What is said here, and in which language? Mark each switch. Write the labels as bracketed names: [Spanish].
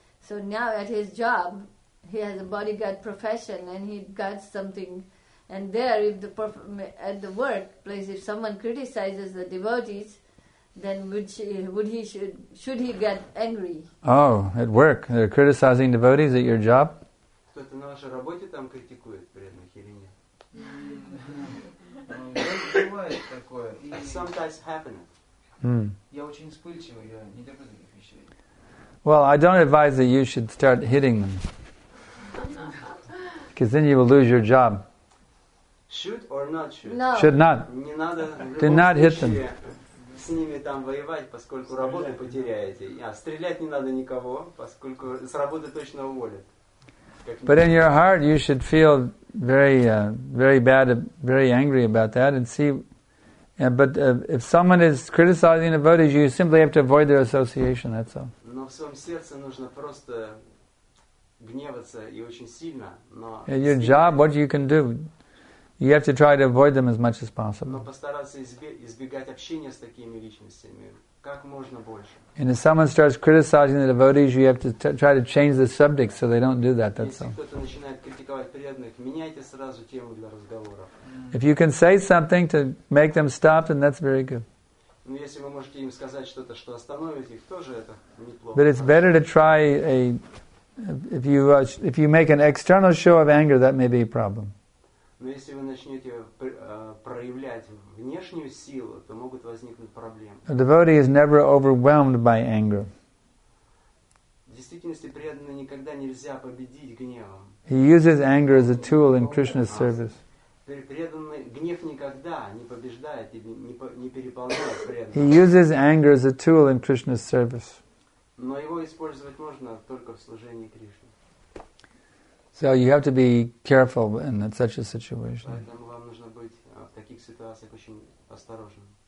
[English] So now at his job, he has a bodyguard profession and he guards something. And there, at the workplace, if someone criticizes the devotees, then should he get angry? Oh, at work. They're criticizing devotees at your job? [Russian] Кто-то на вашей работе там критикует преданных или нет? Бывает такое. [English] Sometimes happen. [Russian] Я очень вспыльчивый, я не люблю таких вещей. [English] Well, I don't advise that you should start hitting them. Because then you will lose your job. Should or not should? No. Should not. [Russian] Не надо. [English] Do not hit them. [Russian] С ними там воевать, поскольку работу потеряете. А стрелять не надо никого, поскольку с работы точно уволят. [English] But in your heart you should feel very very bad, very angry about that and see. But if someone is criticizing devotees, you simply have to avoid their association, that's all. [Russian] Но в своем сердце нужно просто гневаться и очень сильно, но... [English] In your job, what you can do? You have to try to avoid them as much as possible. [Russian] Но постараться избегать общения с такими личностями как можно больше. [English] And if someone starts criticizing the devotees, you have to try to change the subject so they don't do that. That's all. [Russian] Если кто-то начинает критиковать преданных, меняйте сразу тему для разговоров. [English] If you can say something to make them stop, then that's very good. [Russian] Но если вы можете им сказать что-то, что остановит их, тоже это неплохо. [English] But it's better to try if you make an external show of anger, that may be a problem. [Russian] Но если вы начнете проявлять внешнюю силу, то могут возникнуть проблемы. [English] A devotee is never overwhelmed by anger. [Russian] В действительности преданного никогда нельзя победить гневом. [English] He uses anger as a tool in Krishna's service. [Russian] преданный гнев никогда не побеждает и не переполняет преданность. [English] He uses anger as a tool in Krishna's service. [Russian] Но его использовать можно только в служении Кришне. [English] So you have to be careful in such a situation. [Russian] Поэтому вам нужно быть в таких ситуациях очень осторожным.